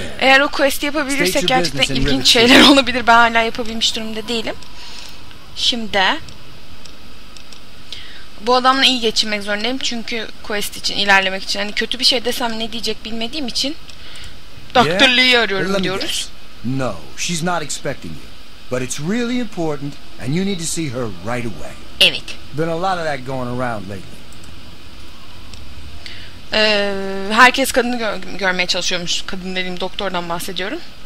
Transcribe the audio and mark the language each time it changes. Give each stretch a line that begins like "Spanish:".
Turkish: Eğer o quest'i yapabilirsek gerçekten ilginç şeyler olabilir. Ben hala yapabilmiş durumda değilim. Şimdi... Bu adamla iyi geçinmek zorundayım çünkü quest için, ilerlemek için. Hani kötü bir şey desem ne diyecek bilmediğim için Dr. Lee'yi arıyorum diyoruz.
English: No, she's not expecting you. But it's really important and you need to see her right away.
Turkish: Evet.
English: Been a lot of that going around lately.
Turkish: Herkes kadını görmeye çalışıyormuş. Kadın dediğim doktordan bahsediyorum.